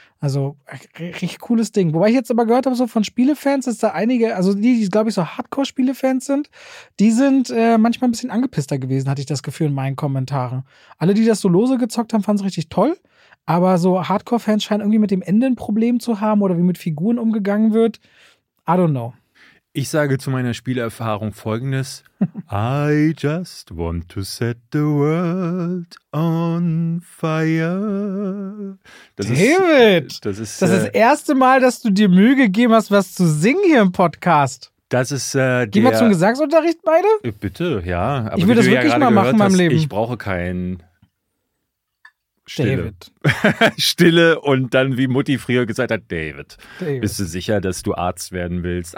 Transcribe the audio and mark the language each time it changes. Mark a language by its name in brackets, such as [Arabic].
[German] Also richtig cooles Ding. Wobei ich jetzt aber gehört habe, so von Spielefans, dass da einige, also die glaube ich so Hardcore-Spielefans sind, die sind manchmal ein bisschen angepisster gewesen, hatte ich das Gefühl in meinen Kommentaren. Alle, die das so lose gezockt haben, fanden es richtig toll. Aber so Hardcore-Fans scheinen irgendwie mit dem Ende ein Problem zu haben oder wie mit Figuren umgegangen wird. [English] I don't know. [German] Ich sage zu meiner Spielerfahrung Folgendes. [English] I just want to set the world on fire. [German] David! Das ist das erste Mal, dass du dir Mühe gegeben hast, was zu singen hier im Podcast. Das ist gehen wir zum Gesangsunterricht beide? Bitte, ja. Aber ich will das wirklich ja mal machen in meinem Leben. Ich brauche keinen Stille. Stille und dann, wie Mutti früher gesagt hat, David. Bist du sicher, dass du Arzt werden willst?